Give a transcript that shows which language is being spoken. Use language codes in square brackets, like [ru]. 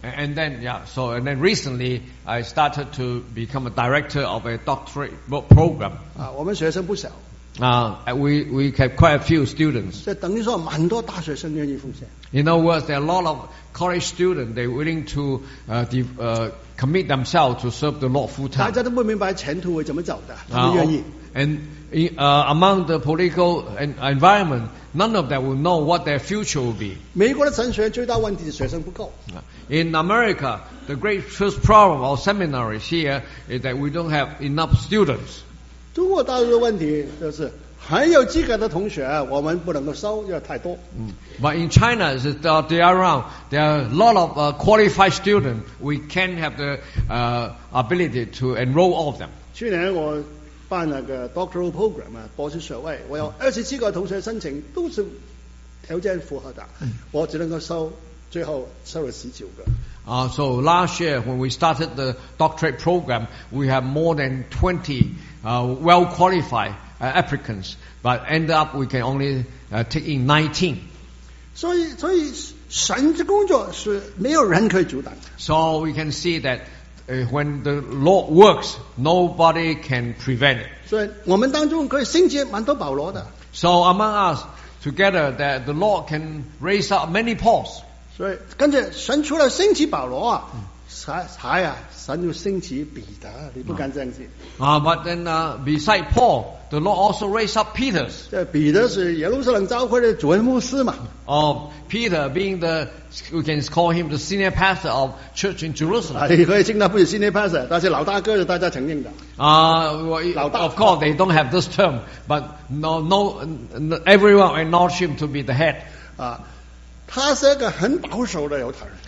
[en] And then recently I started to become a director of a doctorate program. [zh] 我们学生不少。 [en] We have quite a few students. [zh] 这等于说蛮多大学生愿意奉献。 [en] In other words, there are a lot of college students, they're willing to commit themselves to serve the Lord full time. [zh] 大家都不明白前途会怎么走的, 他们愿意。 [en] And among the political environment, none of them will know what their future will be. [zh] 美国的神学院最大问题是学生不够。 [en] In America, the great first problem of seminaries here is that we don't have enough students. [zh] 中国大陆的问题就是, 很有资格的同学, 我们不能够收, 要太多。 [en] But in China, the other around, there are a lot of qualified students. We can't have the ability to enroll all of them. [zh] 去年我办了个 doctoral program, 博士学位, 我有27个同学申请, 都是 [en] So last year when we started the doctorate program, we have more than 20 well-qualified applicants, but end up we can only take in 19. [zh] 所以 神的工作是没有人可以阻挡。 [en] So we can see that when the Lord works, nobody can prevent it. [zh] 所以我们当中可以兴起蛮多保罗的。 [en] So among us, together, that the Lord can raise up many Pauls. [zh] 所以跟着神除了兴起保罗，神就兴起彼得，你不敢相信。 [en] But then, beside Paul, the Lord also raised up Peter. [zh] 这彼得是耶路撒冷教会的主任牧师嘛。 [en] Peter being the, we can call him the senior pastor of church in Jerusalem. [zh] 你可以称他不是 senior pastor， 但是老大哥是大家承认的。 [en] Of course, they don't have this term, but no, everyone acknowledges him to be the head. [zh] 他是一个很保守的犹太人。